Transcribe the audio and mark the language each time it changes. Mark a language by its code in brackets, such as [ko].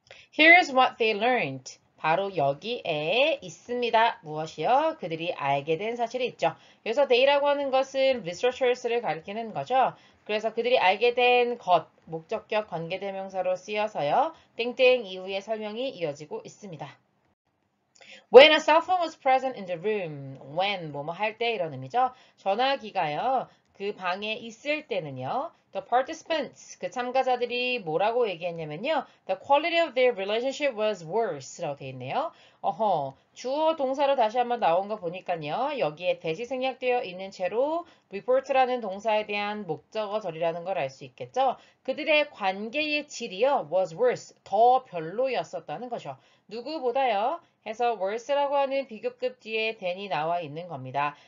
[en] Here's what they learned. [ko] 바로 여기에 있습니다. 무엇이요? 그들이 알게 된 사실이 있죠. 여기서 they라고 하는 것은 researchers를 가리키는 거죠. 그래서 그들이 알게 된 것, 목적격 관계대명사로 쓰여서요. 땡땡 이후에 설명이 이어지고 있습니다. [en] When a cell phone was present in the room, when [ko] 뭐뭐 할때 이런 의미죠. 전화기가요. 그 방에 있을 때는요. [en] The participants, [ko] 그 참가자들이 뭐라고 얘기했냐면요. [en] The quality of their relationship was worse라고 [ko] 돼 있네요. 주어 동사로 다시 한번 나온 거 보니까요. 여기에 대시 생략되어 있는 채로 report라는 동사에 대한 목적어절이라는 걸알수 있겠죠. 그들의 관계의 질이요. [en] was worse, [ko] 더 별로였었다는 거죠. 누구보다요. 해서 worse라고 하는 비교급 뒤에 than이 나와 있는 겁니다.